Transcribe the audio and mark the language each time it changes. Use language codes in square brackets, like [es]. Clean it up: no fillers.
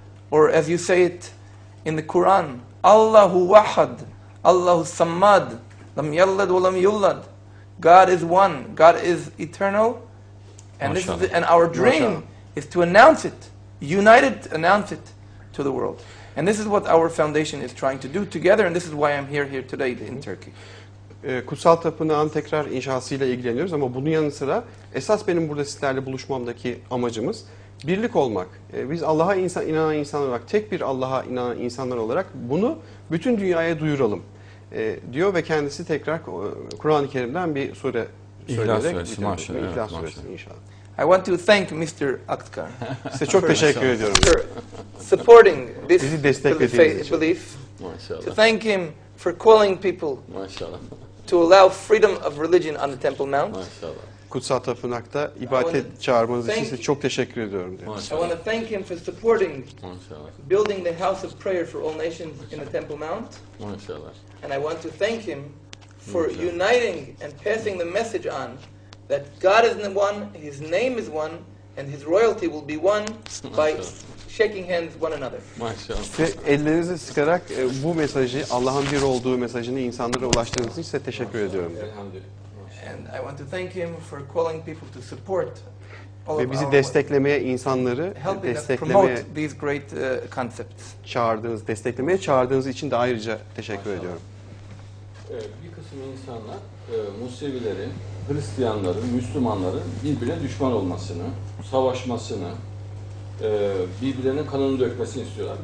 [en] Or as you say it in the Quran, [ar] Allahu Wahad, Allahu Samad, Lam yallad walam yullad. [en] God is one. God is eternal. And this is and our dream is to announce it, united announce it to the world. And this is what our foundation is trying to do together, and this is why I'm here today in Turkey. [tr] Kutsal tapınağın tekrar inşasıyla ilgileniyoruz ama bunun yanı sıra esas benim burada sizlerle buluşmamdaki amacımız birlik olmak. Biz Allah'a inanan insanlar olarak, tek bir Allah'a inanan insanlar olarak bunu bütün dünyaya duyuralım. Diyor ve kendisi tekrar Kur'an-ı Kerim'den bir sure söyleyerek İhlas Suresi inşallah. [en] I want to thank Mr. Akhtar. [tr] Size çok teşekkür ediyorum. [en] For supporting this belief. To thank him for calling people to allow freedom of religion on the Temple Mount. [tr] Kutsal Tapınak'ta ibadet çağırmanız için size çok teşekkür ediyorum. [en] I want to thank him for supporting building the House of Prayer for All Nations in the Temple Mount. And I want to thank him for uniting and passing the message on that God is the one, his name is one, and his royalty will be one by shaking hands one another. [tr] Maşallah. Ellerinizi sıkarak bu mesajı, Allah'ın bir olduğu mesajını insanlara ulaştırdığınız için size teşekkür ediyorum. [en] And I want to thank him for calling people to support all [tr] ve bizi desteklemeye, insanları desteklemeye, [en] these great concepts. [tr] Çağırdığınız, desteklemeye çağırdığınız için de ayrıca teşekkür ediyorum. Bir kısım insanlar Musevileri, Hristiyanları, Müslümanları birbirine düşman olmasını, savaşmasını, birbirlerinin kanını dökmesini istiyorlar.